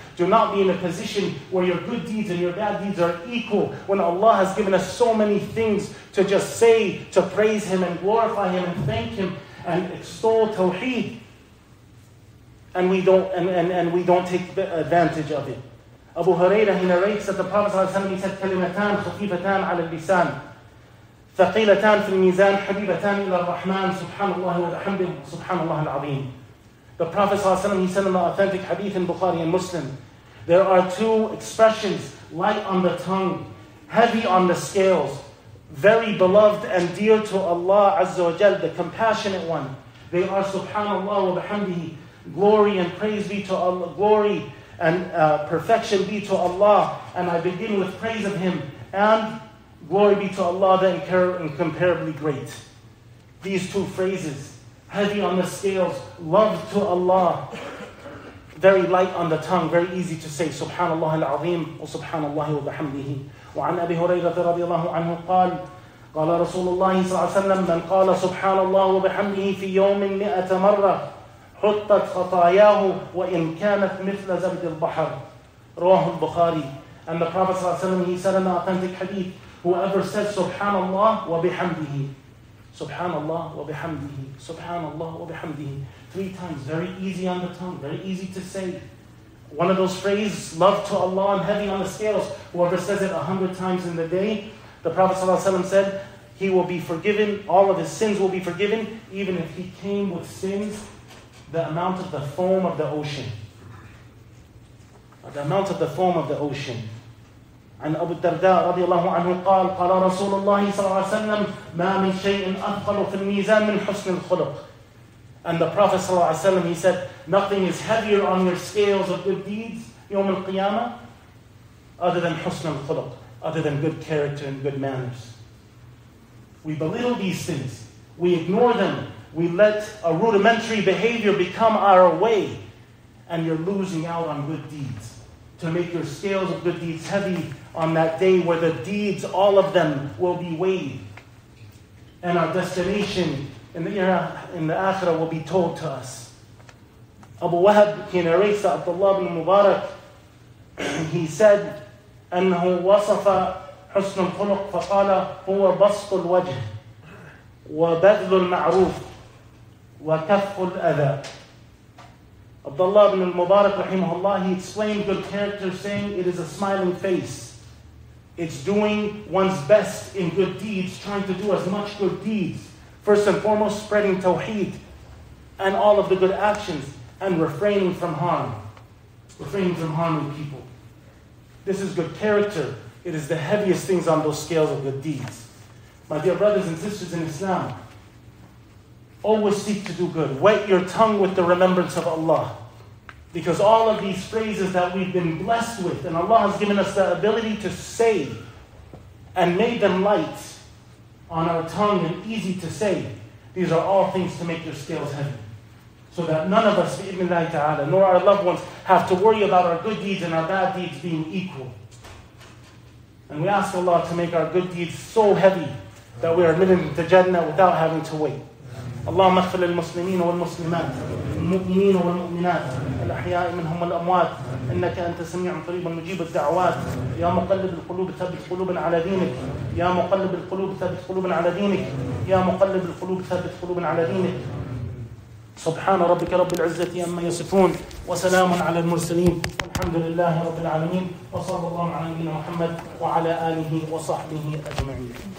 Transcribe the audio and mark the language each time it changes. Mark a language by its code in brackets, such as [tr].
[en] Do not be in a position where your good deeds and your bad deeds are equal, when Allah has given us so many things to just say, to praise Him and glorify Him and thank Him and extol Tawheed, and we don't take advantage of it. Abu Huraira, he narrates that the Prophet ﷺ, he said, [ar] كَلِمَتَانْ خَفِيفَتَانْ عَلَى الْلِسَانِ ثَقِيلَتَانْ فِي الْمِيزَانِ حَبِيبَتَانْ إِلَى الرَّحْمَنِ سُبْحَانَ اللَّهِ وَالْحَمْدِ سُبْحَانَ اللَّهِ الْعَظِيمِ. [en] The Prophet ﷺ, he said in the authentic hadith in Bukhari and Muslim, there are two expressions, light on the tongue, heavy on the scales, very beloved and dear to Allah Azza wa Jal, the compassionate one. They are [ar] Subhanallah wa bihamdihi, [en] glory and praise be to Allah, glory and perfection be to Allah, and I begin with praise of Him, and glory be to Allah, the incomparably great. These two phrases, heavy on the scales, love to Allah, very light on the tongue, very easy to say, [ar] Subhanallah al-Azim wa Subhanallah wa bihamdihi. وعن أبي هريرة رضي الله عنه قال قال رسول الله صلى الله عليه وسلم من قال سبحان الله وبحمده في يوم 100 مرة حطت خطاياه وإن كانت مثل زبد البحر. رواه البخاري. [en] And the Prophet صلى الله عليه وسلم, he said in an authentic hadith, whoever says [ar] سبحان الله وبحمده, سبحان الله وبحمده, [en] سبحان الله وبحمده, 3 times, very easy on the tongue, very easy to say, One of those phrases, love to Allah and heavy on the scales. Whoever says it 100 times in the day, the Prophet ﷺ said, he will be forgiven, all of his sins will be forgiven, even if he came with sins the amount of the foam of the ocean. The amount of the foam of the ocean. And Abu Darda radiallahu anhu [ar] قال, قال رسول الله صلى الله عليه وسلم ما من شيء أثقل في الميزان من حسن الخلق. [en] And the Prophet صلى الله عليه وسلم, he said, nothing is heavier on your scales of good deeds [ar] يوم القيامة [en] other than [ar] حسن الخلق, [en] other than good character and good manners. We belittle these things. We ignore them. We let a rudimentary behavior become our way. And you're losing out on good deeds. To make your scales of good deeds heavy on that day where the deeds, all of them, will be weighed. And our destination in the Akhirah will be told to us. Abu Wahab, he narrates that Abdullah ibn Mubarak, he said, [ar] أَنْهُ وَصَفَ حُسْنُ الْخُلُقْ فَقَالَ هُوَ بَسْطُ الْوَجْهِ وَبَذْلُ الْمَعْرُوفِ وَكَفْءُ الْأَذَى. [en] Abdullah ibn al-Mubarak, rahimahullah, he explained good character saying it is a smiling face. It's doing one's best in good deeds, trying to do as much good deeds. First and foremost, spreading tawheed and all of the good actions and refraining from harm. Refraining from harming people. This is good character. It is the heaviest things on those scales of good deeds. My dear brothers and sisters in Islam, always seek to do good. Wet your tongue with the remembrance of Allah. Because all of these phrases that we've been blessed with, and Allah has given us the ability to say, and made them light on our tongue and easy to say, these are all things to make your scales heavy. So that none of us, bi'idhnillahi ta'ala, nor our loved ones, have to worry about our good deeds and our bad deeds being equal. And we ask Allah to make our good deeds so heavy that we are living to Jannah without having to wait. [ar] اللهم اغفر للمسلمين والمسلمات المؤمنين والمؤمنات الأحياء منهم والأموات إنك أنت سميع قريب مجيب الدعوات يا مقلب القلوب ثبت قلوبا على دينك يا مقلب القلوب ثبت قلوبا على دينك يا مقلب القلوب ثبت قلوبا على دينك سبحان ربك رب العزة أما يصفون وسلام على المرسلين الحمد لله رب العالمين وصلى الله على نبينا محمد وعلى آله وصحبه أجمعين.